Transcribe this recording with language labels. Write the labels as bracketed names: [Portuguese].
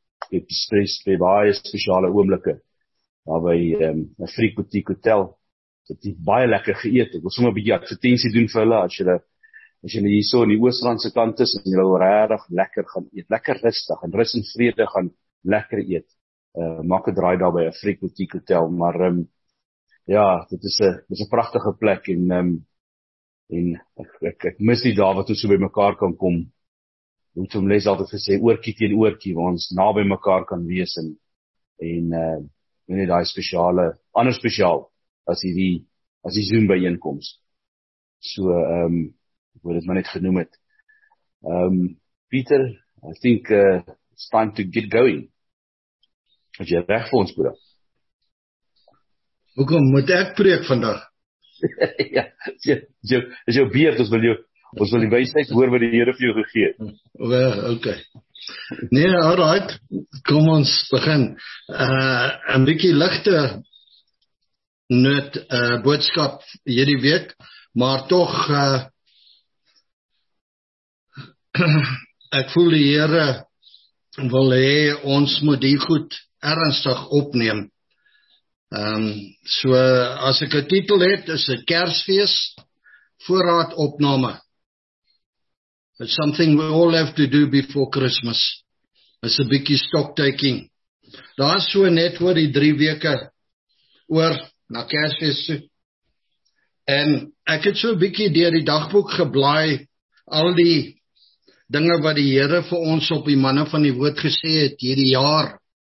[Afrikaans] het baie spesiale oomblikke, daar by 'n Freak Boutique Hotel, het die baie lekker geëet, ek wil sommer 'n bietjie advertensie doen vir hulle, as jy hier so in die Oostrandse kant is, en jy wil regtig lekker gaan eet, lekker rustig, en rus en vrede gaan lekker eet, maak 'n draai daar by 'n Freak Boutique Hotel, maar ja, dit is 'n pragtige plek, en ek mis die dae wat ons so by mekaar kan kom. Moet hom les altyd gesê, oortjie teen oortjie, waar ons na by mekaar kan wees, en daai spesiale, anders spesiaal, as die Zoom byeenkoms. So, ek wou dit maar net genoem het. [English] Pieter, I think it's time to get going. [Afrikaans] Is jy reg vir ons, broer? Hoekom moet ek preek vandag? Ja, is jou beurt, ons wil die wysheid hoor wat die Here vir jou gegee het. Wel, okay. Nee, alright, kom ons begin. 'N bietjie ligte noot boodskap hierdie week, maar toch, ek voel die Here wil hê ons moet die goed ernstig opneem. So as ek 'n titel het, is 'n Kersfees voorraadopname. [English] It's something we all have to do before Christmas. It's a bietjie stocktaking. [Afrikaans] Daar's so net oor die 3 weke oor na Kersfees toe. En ek het so 'n bietjie deur die dagboek geblaai, al die dinge wat die Here vir ons op die manne van die woord gesê het hierdie jaar.